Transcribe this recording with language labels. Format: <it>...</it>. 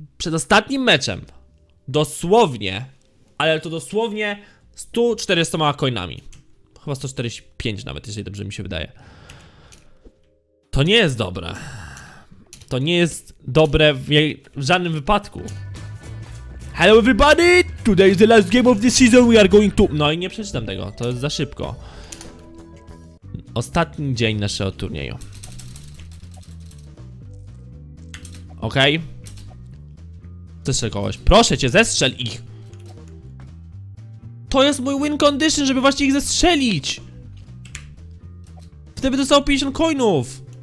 <pl>Przed ostatnim meczem. Dosłownie. Ale to dosłownie 140 coinami. Chyba 145 nawet, jeżeli dobrze mi się wydaje. To nie jest dobre. To nie jest dobre w żadnym wypadku.</pl> <en>Hello everybody! Today is the last game of the season, we are going to...</en> <pl>No i nie przeczytam tego, to jest za szybko. Ostatni dzień naszego turnieju. Okej. Zestrzel kogoś. Proszę cię, zestrzel ich! To jest mój win condition, żeby właśnie ich zestrzelić! Wtedy dostał 50 coinów!</pl>